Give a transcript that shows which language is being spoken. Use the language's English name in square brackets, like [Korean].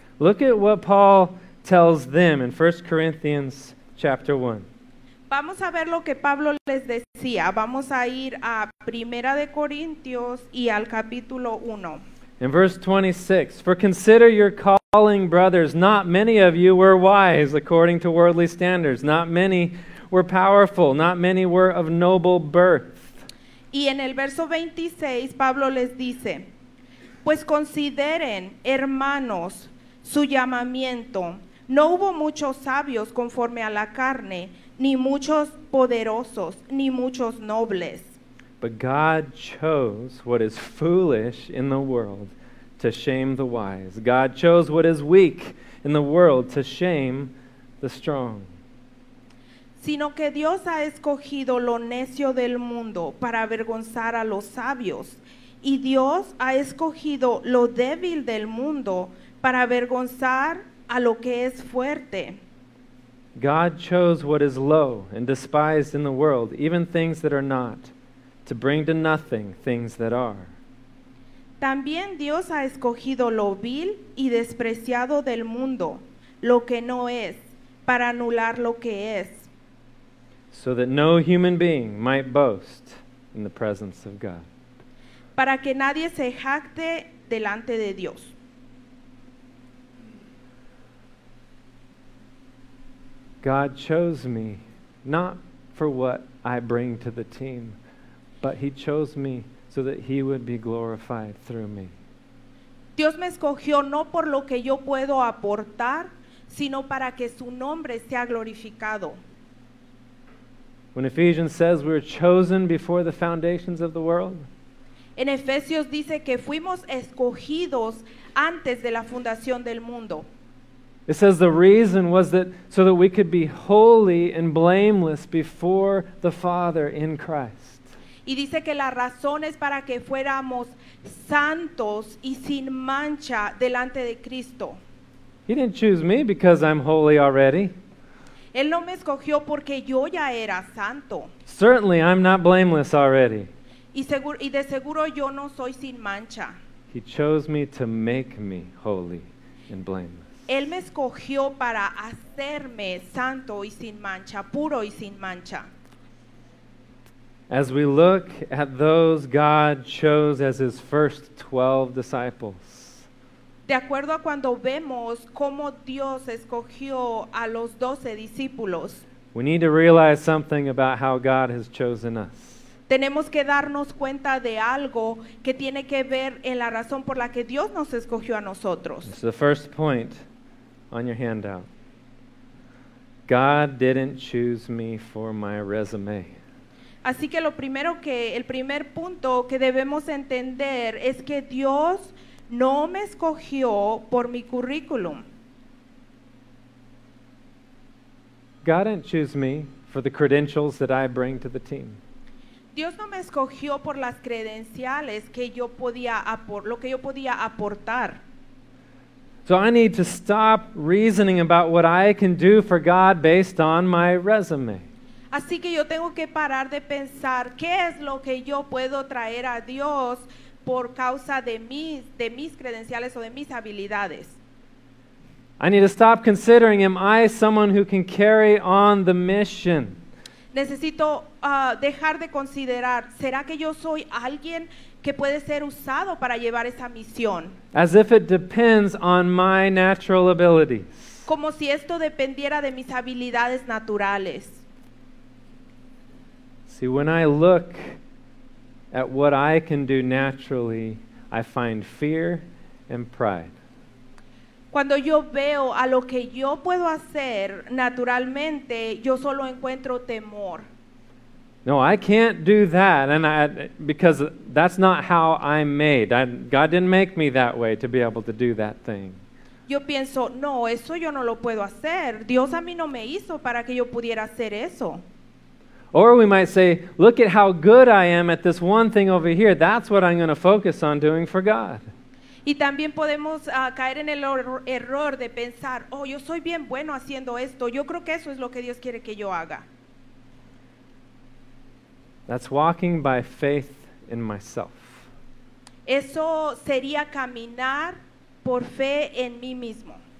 [English] Look at what Paul tells them in 1 Corinthians chapter 1. [Spanish] Vamos a ver lo que Pablo les decía. Vamos a ir a Primera de Corintios y al capítulo 1. [English] In verse 26, for consider your calling, brothers, not many of you were wise according to worldly standards. Not many were powerful. Not many were of noble birth. [Spanish] Y en el verso 26, Pablo les dice, pues consideren, hermanos, su llamamiento. No hubo muchos sabios conforme a la carne, ni muchos poderosos, ni muchos nobles. [English] But God chose what is foolish in the world to shame the wise. God chose what is weak in the world to shame the strong. [Spanish] Sino que Dios ha escogido lo necio del mundo para avergonzar a los sabios, y Dios ha escogido lo débil del mundo para avergonzar a lo que es fuerte. [English] God chose what is low and despised in the world, even things that are not, to bring to nothing things that are. [Spanish] También Dios ha escogido lo vil y despreciado del mundo, lo que no es, para anular lo que es. [English] So that no human being might boast in the presence of God. [Spanish] Para que nadie se jacte delante de Dios. [English] God chose me not for what I bring to the team, but he chose me so that he would be glorified through me. [Spanish] Dios me escogió no por lo que yo puedo aportar, sino para que su nombre sea glorificado. [English] When Ephesians says we were chosen before the foundations of the world, [Spanish] en Efesios dice que fuimos escogidos antes de la fundación del mundo. [English] It says the reason was that so that we could be holy and blameless before the Father in Christ. [Spanish] Y dice que la razón es para que fuéramos santos y sin mancha delante de Cristo. [English] He didn't choose me because I'm holy already. [Spanish] Él no me escogió porque yo ya era santo. [English] Certainly I'm not blameless already. [Spanish] Y de seguro yo no soy sin mancha. [English] He chose me to make me holy and blameless. [Spanish] Él me escogió para hacerme santo y sin mancha, puro y sin mancha. [English] As we look at those God chose as his first 12 disciples. [Spanish] De acuerdo a cuando vemos cómo Dios escogió a los 12 discípulos. [English] We need to realize something about how God has chosen us. [Spanish] Tenemos que darnos cuenta de algo que tiene que ver en la razón por la que Dios nos escogió a nosotros. [English] It's the first point on your handout. God didn't choose me for my resume. [Spanish] Así que lo primero que, el primer punto que debemos entender es que Dios no me escogió por mi currículum. [English] God didn't choose me for the credentials that I bring to the team. [Spanish] Dios no me escogió por las credenciales que yo podía lo que yo podía aportar. [English] So I need to stop reasoning about what I can do for God based on my resume. [Spanish] Así que yo tengo que parar de pensar qué es lo que yo puedo traer a Dios por causa de mis credenciales o de mis habilidades. [English] I need to stop considering, am I someone who can carry on the mission? [Spanish] Necesito dejar de considerar, ¿será que yo soy alguien que puede ser usado para llevar esa misión? [English] As if it depends on my natural abilities. [Spanish] Como si esto dependiera de mis habilidades naturales. [English] See, when I look at what I can do naturally, I find fear and pride. [Spanish] Cuando yo veo a lo que yo puedo hacer naturalmente, yo solo encuentro temor. [English] No, I can't do that, and because that's not how I'm made. God didn't make me that way to be able to do that thing. [Spanish] Yo pienso, no, eso yo no lo puedo hacer. Dios a mí no me hizo para que yo pudiera hacer eso. [English] Or we might say, look at how good I am at this one thing over here. That's what I'm going to focus on doing for God. [Spanish] Y también podemos caer en el error de pensar, oh, yo soy bien bueno haciendo esto. Yo creo que eso es lo que Dios quiere que yo haga. [English] That's walking by faith in myself. [Spanish] Eso sería caminar por fe en mí mismo.